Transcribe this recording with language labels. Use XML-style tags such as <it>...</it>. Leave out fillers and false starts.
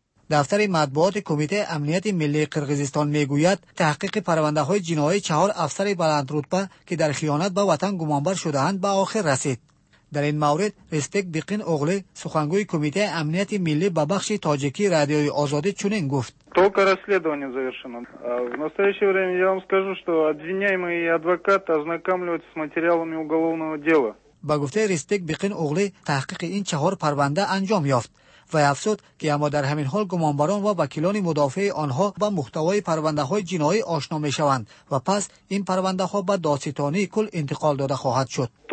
<fa>دفتر مطبوعات کمیته امنیت ملی قرقیزستان میگوید تحقیق پرونده های جنایی چهار افسر بلند رتبه که در خیانت به وطن گمانبر شدند به آخر رسید. در این مورد رسپک دقین اغلی، سخنگوی کمیته امنیت ملی، به بخش تاجیکی رادیوی آزادی چنین گفت:</fa> <ru>Только расследование завершено. В настоящее время я вам скажу, что обвиняемый и адвокат ознакомляются с материалами уголовного дела.</ru> <fa>با گفته رسپک دقین اغلی، تحقیق این چهار پرونده انجام یافت و افسود که اما در همین حال گمانبران و وکیلان مدافع آنها با محتوای پرونده های جنایی آشنا می شوند و پس این پرونده ها به دادستانی کل انتقال داده خواهد شد.</fa>